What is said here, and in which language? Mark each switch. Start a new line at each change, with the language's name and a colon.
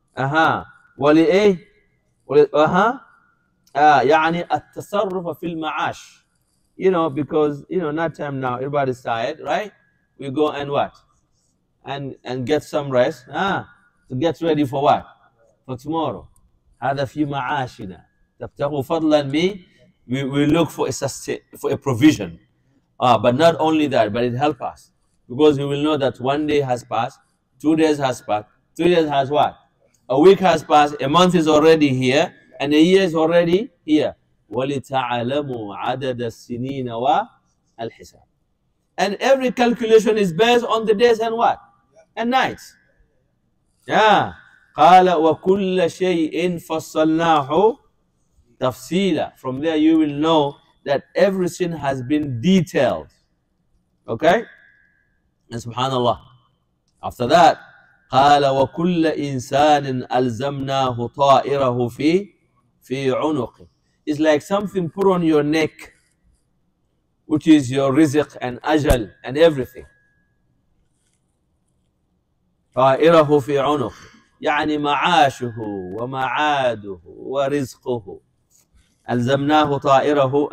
Arabic: أها ولأيه أها يعني التصرف في المعاش.
English: You know, because you know, night time now, everybody's tired, right? We go and what? And get some rest, to get ready for what? For tomorrow.
Arabic: هذا في معاشنا. تبتغوا فضلا بي.
English: We look for a provision. But not only that, but it helps us. Because we will know that one day has passed, 2 days has passed, 3 days has what? A week has passed, a month is already here, and a year is already here.
Arabic: وَلِتَعَلَمُوا عَدَدَ السِّنِينَ وَالْحِسَابِ.
English: And every calculation is based on the days and what? And nights. Yeah.
Arabic: قَالَ وَكُلَّ شَيْءٍ فَصَّلْنَاهُ تَفْصِيلًا.
English: From there you will know that everything has been detailed. Okay? And subhanAllah. After that,
Arabic: قال وكل إنسان ألزمناه طائره في عنقه.
English: It's like something put on your neck, which is your rizq and ajal and everything.
Arabic: طائره في عنقه يعني معاشه ومعاده ورزقه. ألزمناه طائره.